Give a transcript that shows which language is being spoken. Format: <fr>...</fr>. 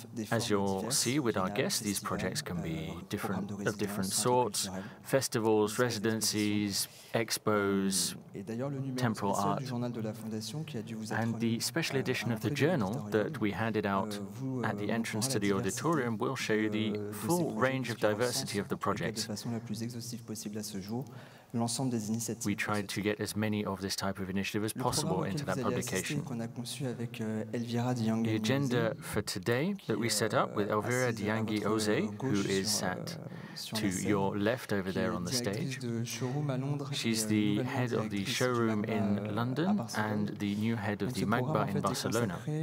<en>As you'll see with our guests, these projects can be of different sorts, festivals, residencies, expos, temporal art. And the special edition of the journal that we handed out at the entrance to the auditorium will show you the full range of diversity of the projects.</en> <fr>Plus exhaustive possible à ce jour, l'ensemble des initiatives.</fr> <en>We tried to get as many of this type of initiative as possible into that publication.</en> <fr>Qu'on a conçu avec Elvira Dyangani</fr> <en>Ose. The agenda for today that we set up with Elvira Dyangani Ose, who is sat to your left over there on the stage. She's the head of the showroom in London and the new head of the Magba in Barcelona.</en>